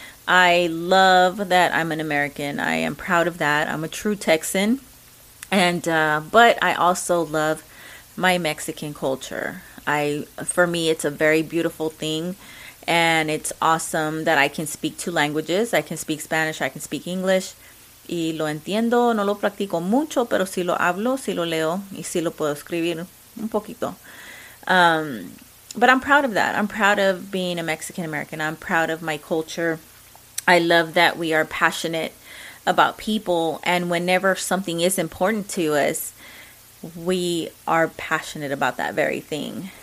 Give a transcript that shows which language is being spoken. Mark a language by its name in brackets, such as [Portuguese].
[English] I love that I'm an American. I am proud of that. I'm a true Texan. And, but I also love my Mexican culture. For me, it's a very beautiful thing. And it's awesome that I can speak two languages. I can speak Spanish, I can speak English. [Spanish] Y lo entiendo, no lo practico mucho, pero si lo hablo, si lo leo, y si lo puedo escribir un poquito. [English] But I'm proud of that. I'm proud of being a Mexican American. I'm proud of my culture. I love that we are passionate about people. And whenever something is important to us, we are passionate about that very thing.